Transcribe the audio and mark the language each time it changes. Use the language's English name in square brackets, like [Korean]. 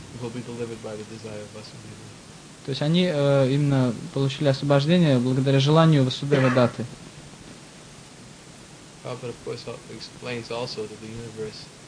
[English] Will be delivered by the desire of Vasudeva. [Russian] То есть они именно получили освобождение благодаря желанию Васудева Даты. [English] Prabhupada, of course, explains also that the universe